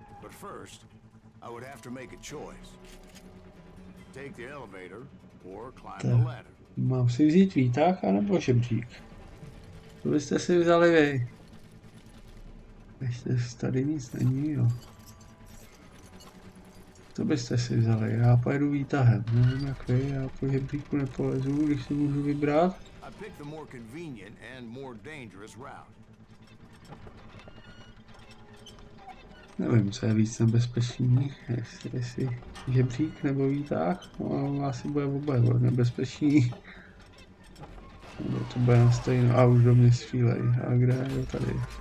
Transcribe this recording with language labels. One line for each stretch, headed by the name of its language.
English: First, I would have to make a choice. Take the elevator or climb the ladder.
Czech: Mám si vzít výtah anebo žebřík? To byste si vzali vy. Ještě tady nic není, jo. To byste si vzali, já pojedu výtahem. Nevím jak vy, já po žebříku nepolezu, když si můžu vybrat.
English: I picked the more convenient and more dangerous route.
Czech: Nevím, co je víc nebezpečný, jestli žebřík nebo výtah, no, asi bude vůbec nebezpečný. Nebo to bude na stejno, a už do mě střílej, a kde je tady?